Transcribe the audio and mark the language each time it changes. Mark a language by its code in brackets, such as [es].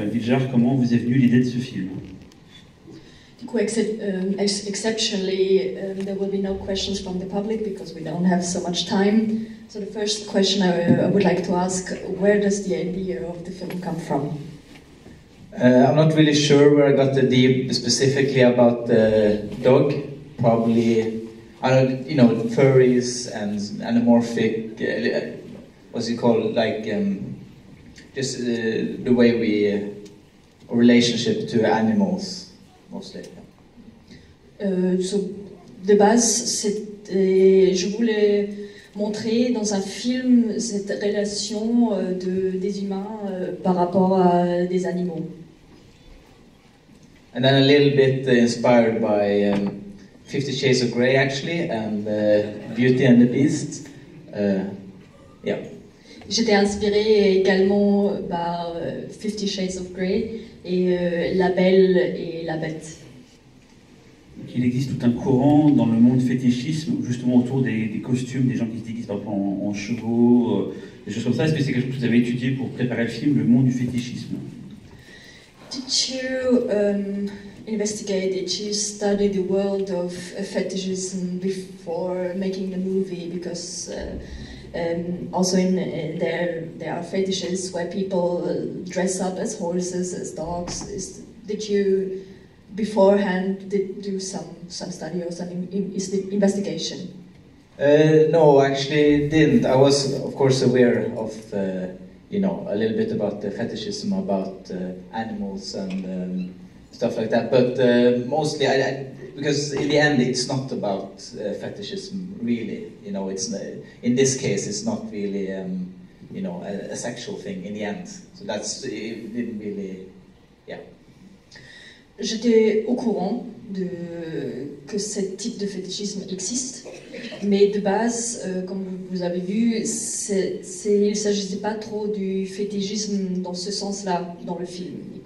[fr] Viljar, comment vous est venue l'idée de ce film? Du coup, exceptionnellement, [en] there will be no questions from the public because we don't have so much time. So the first question I would like to ask, where does the idea of the film come from? I'm not really sure where I got the idea specifically about the dog. Probably, furries and anamorphic. What's it called? Just the way we relationship to animals, mostly. [fr] So, de base, je voulais montrer dans un film cette relation des humains par rapport à des animaux. [en] And then a little bit inspired by Fifty Shades of Grey, actually, and Beauty and the Beast. [fr] J'étais inspirée également par Fifty Shades of Grey et La Belle et la Bête. Donc, il existe tout un courant dans le monde fétichisme, justement autour des costumes, des gens qui se déguisent en chevaux, des choses comme ça. Est-ce que c'est quelque chose que vous avez étudié pour préparer le film, le monde du fétichisme? [en] Did you investigate, did you study the world of fetishism before making the movie? Because also in there are fetishes where people dress up as horses, as dogs. Did you beforehand do some study or some investigation? No, actually didn't. I was of course aware of a little bit about the fetishism about animals and stuff like that, but mostly because in the end it's not about fetishism really, it's in this case it's not really a sexual thing in the end, so that's it didn't really, [fr] J'étais au courant de que ce type de fétichisme existe, mais de base, comme vous avez vu, il ne s'agissait pas trop du fétichisme dans ce sens-là dans le film.